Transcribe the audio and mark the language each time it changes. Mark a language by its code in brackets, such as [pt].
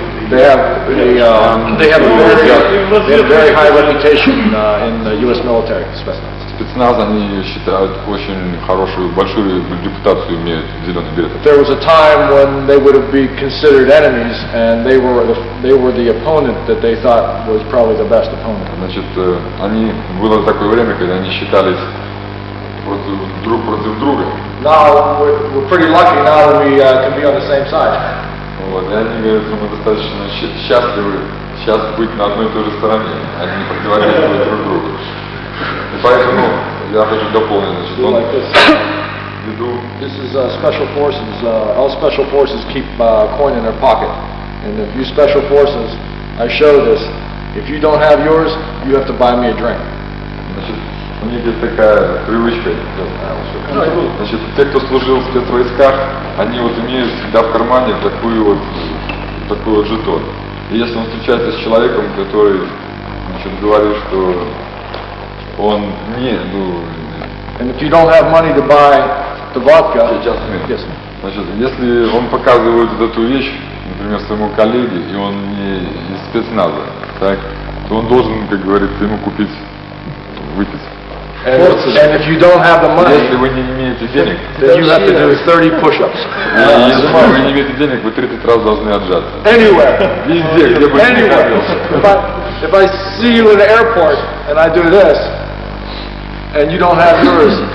[en] They have a very high reputation in the U.S. military. [ru] Спецназ. Спецназ они считают очень хорошую, большую репутацию имеют зеленые береты. [en] There was a time when they would have been considered enemies, and they were the opponent that they thought was probably the best opponent. [ru] Значит, они было такое время, когда они считались против, друг против друга. [en] Now we're pretty lucky now that we can be on the same side. [ru] Вот, я не говорю, что мы достаточно счастливы сейчас быть на одной и той же стороне, а не противоречивы друг другу. И поэтому я хочу дополнить, значит, он... [en] This is special forces. All special forces keep a coin in their pocket. And if you special forces, I show this. If you don't have yours, you have to buy me a drink. [ru] Значит, у них есть такая привычка. Значит, те, кто служил в спецвойсках, они вот имеют всегда в кармане такую вот жетон. И если он встречается с человеком, который, значит, говорит, что он не, ну... [en] And if you don't have money to buy the vodka... Just a minute. Yes. [ru] Значит, если он показывает эту вещь, например, своему коллеге, и он не из спецназа, так, то он должен, как говорится, ему купить выпить. [en] And if you don't have the money, [ru] если вы не имеете денег, [en] then you have to do 30 push-ups. [ru] Если вы не имеете денег, вы 30 раз должны отжаться. [en] Anywhere. [ru] Везде, где бы ни [en] If I see you in the airport and I do this, and you don't have yours,